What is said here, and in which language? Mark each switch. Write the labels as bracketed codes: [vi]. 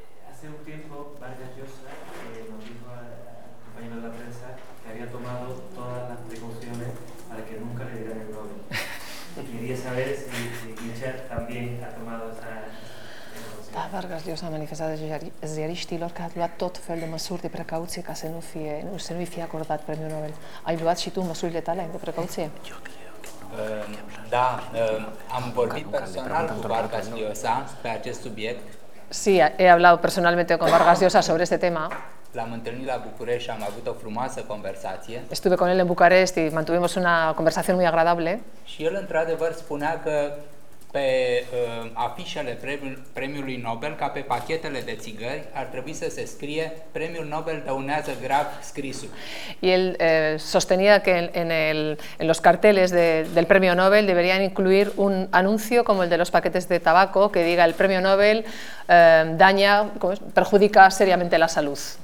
[es] Hace un tiempo, Vargas Llosa nos dijo al compañero de la prensa que había tomado todas las precauciones para que nunca le dieran el Nobel. Quería saber si Mircea también ha tomado esa... [ro] Da, Vargas Llosa [es] ha manifestado desde [ro] Aristi Lorca ha luat tot fel de măsuri de precauție ca să nu-i fie acordat premiul Nobel. Ai luat și tu măsurile tale de precauție? Eu cred că nu. Da, am vorbit personal cu Vargas Llosa pe acest subiect. [es] Sí, he hablado personalmente con Vargas Llosa sobre este tema. [ro] l-am întâlnit la București și am avut o frumoasă conversație. [es] Estuve con él en Bucarest y mantuvimos una conversación muy agradable. [ro] Și el într-adevăr spunea că pe afișele premiului Nobel, ca pe pachetele de țigări, ar trebui să se scrie Premiul Nobel dăunează grav scrisul. [es] Y él sostenía que en los carteles del Premio Nobel deberían incluir un anuncio como el de los paquetes de tabaco que diga el Premio Nobel daña, perjudica seriamente la salud.